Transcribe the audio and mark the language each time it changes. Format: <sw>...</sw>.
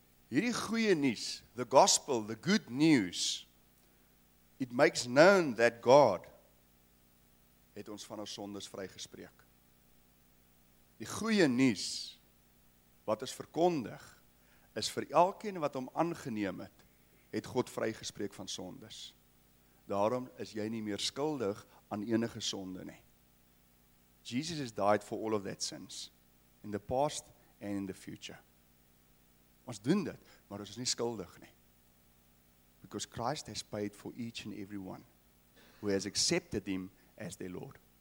<af>Hierdie goeie nuus,</af> <en>the gospel, the good news, it makes known that God</en> <af>het ons van ons sondes vrygespreek. Die goeie nuus wat ons verkondig is vir elkeen wat hom aangeneem het, het God vrygespreek van sondes. Daarom is jy nie meer skuldig aan enige sonde nie.</af> <en>Jesus has died for all of that sins in the past and in the future.</en> <af>Ons doen dit, maar ons is nie skuldig nie.</af> <en>Because Christ has paid for each and every one who has accepted him as their Lord.</en>